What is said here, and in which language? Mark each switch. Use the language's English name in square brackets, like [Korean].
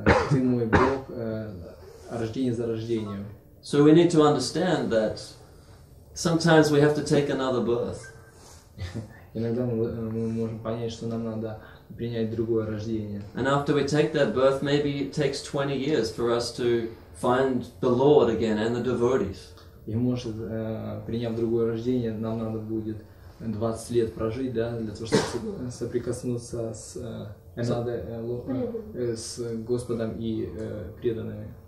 [Russian] Ты мой Бог, рождение за рождением. [English] So we need to understand that sometimes we have to take another birth. [Russian] Иногда мы можем понять, что нам надо принять другое рождение. [English] And after we take that birth, maybe it takes 20 years for us to find the Lord again and the devotees. [Russian] И может, приняв другое рождение, нам надо будет 20 лет прожить, да, для того, чтобы соприкоснуться с с Господом и преданными.